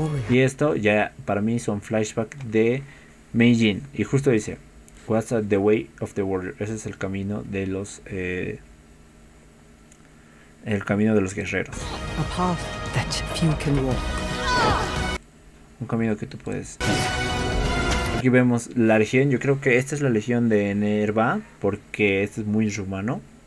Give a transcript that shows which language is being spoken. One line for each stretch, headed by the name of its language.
Spanish: Y esto ya para mí son flashbacks de Meijin. Y justo dice,
English: what's the way of the warrior?
Spanish: Ese es el camino de los el camino de los guerreros.
English: A path that few can walk.
Spanish: Un camino que tú puedes ir. Aquí vemos la legión. Yo creo que esta es la legión de Nerva, porque este es muy rumano.